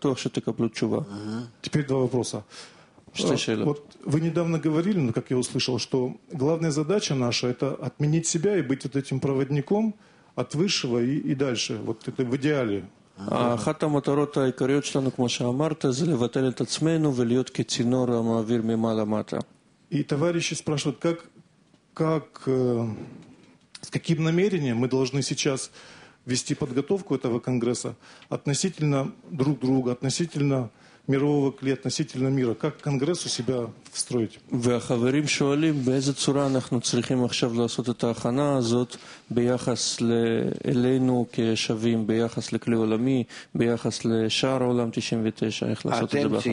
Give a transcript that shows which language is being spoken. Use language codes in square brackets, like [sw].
[ru] Теперь 2 вопроса. Вот вы недавно говорили, как я услышал, что главная задача наша – это отменить себя и быть вот этим проводником от высшего и дальше. Вот это в идеале. [he] אחת המטרות העיקריות שלנו, כמו שאמרת, זה לבטל את עצמנו ולהיות כצינור המעביר ממעלה מטה. [ru] И товарищи спрашивают, как с каким намерением мы должны сейчас вести подготовку этого конгресса относительно друг друга, относительно мирового клея, относительно мира. Как конгресс у себя встроить? [he] והחברים שואלים, באיזה צורה אנחנו צריכים עכשיו לעשות את ההכנה הזאת ביחס אלינו כשווים, ביחס לכלי עולמי, ביחס לשער עולם 99, איך לעשות את זה בהכנה?